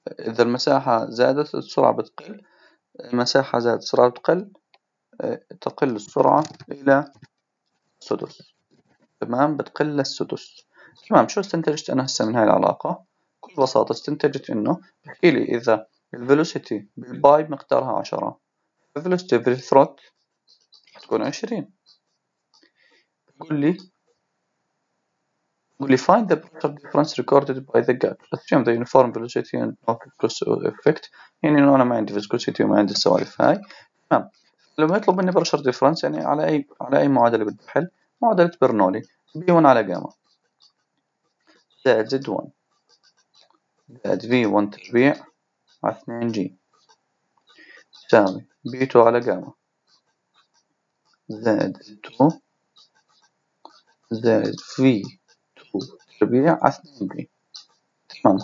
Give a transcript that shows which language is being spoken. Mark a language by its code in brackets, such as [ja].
[ar] إذا المساحة زادت السرعة بتقل، المساحة زادت السرعة بتقل، تقل السرعة إلى السدس، تمام، بتقل السدس، تمام. شو استنتجت أنا هسه من هاي العلاقة؟ بكل بساطة استنتجت إنه بحكي لي إذا الفيلوسيتي بالبايب مقدارها 10، الفيلوسيتي بالثروت تكون 20. قولي [en] find the pressure difference recorded by the gap assume the uniform velocity and no viscous effect. [ar] يعني انه انا ما عندي viscosity وما عندي السوالف هاي، تمام. لما يطلب مني pressure difference يعني على اي معادله بدي احل؟ معادله برنولي b1 على جاما زائد z1 زائد v1 تربيع على 2g تساوي b2 على جاما زائد z2 زائد v تربيع على 2 بي، تمام.